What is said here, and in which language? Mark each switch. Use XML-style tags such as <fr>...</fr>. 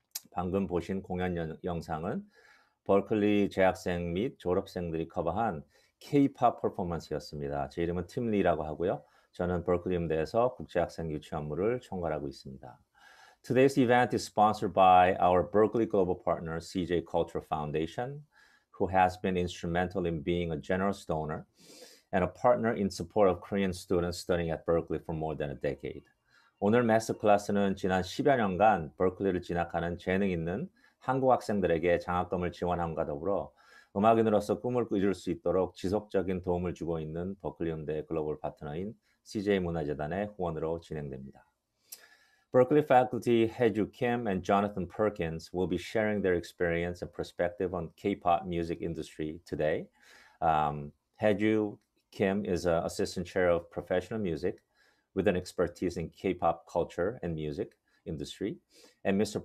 <ko>방금 보신 공연 영상은 버클리 재학생 및 졸업생들이 커버한 K-pop 퍼포먼스였습니다. 제 이름은 팀 리라고 하고요. 저는 버클리 음대에서 국제학생 유치 업무를 총괄하고 있습니다.</ko> <en>Today's event is sponsored by our Berklee Global partner CJ Culture Foundation, who has been instrumental in being a generous donor and a partner in support of Korean students studying at Berklee for more than a decade.</en> <ko>오늘 마스터클래스는 지난 10여 년간 버클리를 진학하는 재능 있는 한국 학생들에게 장학금을 지원함과 더불어 음악인으로서 꿈을 이룰 수 있도록 지속적인 도움을 주고 있는 버클리 음대의 글로벌 파트너인 CJ 문화재단의 후원으로 진행됩니다.</ko> <en>Berklee faculty Hae Joo Kim and Jonathan Perkins will be sharing their experience and perspective on K-pop music industry today. Hae Joo Kim is an assistant chair of professional music with an expertise in K-pop culture and music industry. And Mr.</en>